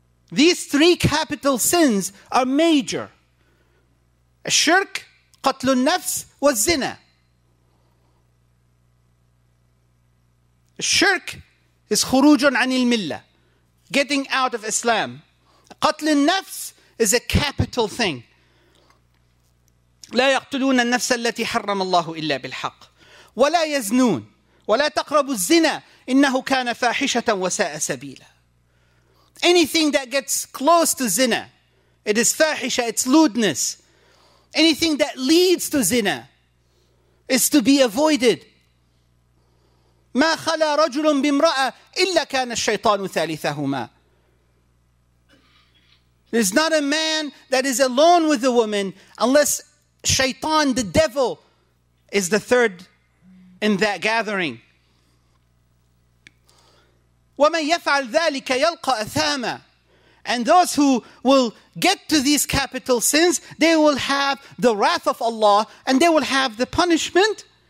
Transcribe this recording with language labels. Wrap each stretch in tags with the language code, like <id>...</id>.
<en>These three capital sins are major. Shirk, qatlu nafs, wa zina. Shirk is</en> <ar>khurujun anil millah,</ar> <en>getting out of Islam. Qatlu nafs is a capital thing.</en> <ar>لا يقتلون النفس التي حرم الله إلا بالحق ولا يزنون ولا تقربوا الزنا إنه كان فاحشة وساء سبيلا.</ar> <en>Anything that gets close to zina, it is fahisha, it's lewdness. Anything that leads to zina is to be avoided.</en> <ar>ما خلا رجل بامرأة إلا كان الشيطان ثالثهما.</ar> <en>There's not a man that is alone with a woman unless Shaitan, the devil, is the third in that gathering.</en> <ar>وَمَنْ يَفْعَلْ ذَلِكَ يَلْقَ أَثَامًا.</ar> <en>And those who will get to these capital sins, they will have the wrath of Allah and they will have the punishment.</en>